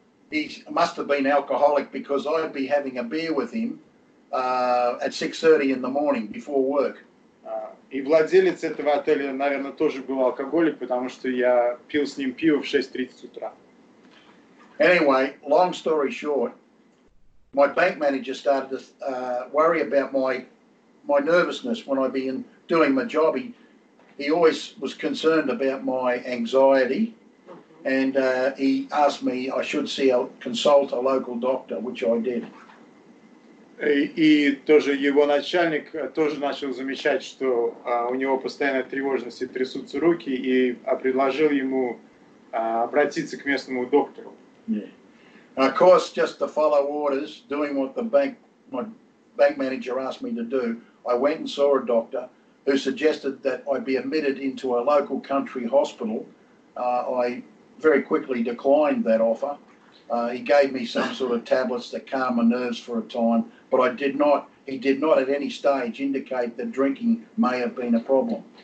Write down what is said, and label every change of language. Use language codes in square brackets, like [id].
[en] He must have been alcoholic because I'd be having a beer with him at 6:30 in the morning before work. [ru] И владелец этого отеля, наверное, тоже был алкоголик, потому что я пил с ним пиво в 6:30 утра. [en] Anyway, long story short, my bank manager started to worry about my nervousness when I'd be doing my job. He always was concerned about my anxiety, and he asked me I should consult a local doctor, which I did. [ru] И тоже его начальник тоже начал замечать, что у него постоянно тревожность и трясутся руки, и предложил ему обратиться к местному доктору. [en] Yeah. Of course, just to follow orders, doing what my bank manager asked me to do, I went and saw a doctor who suggested that I be admitted into a local country hospital. I very quickly declined that offer. He gave me some sort of tablets that calmed my nerves for a time, but he did not at any stage indicate that drinking may have been a problem.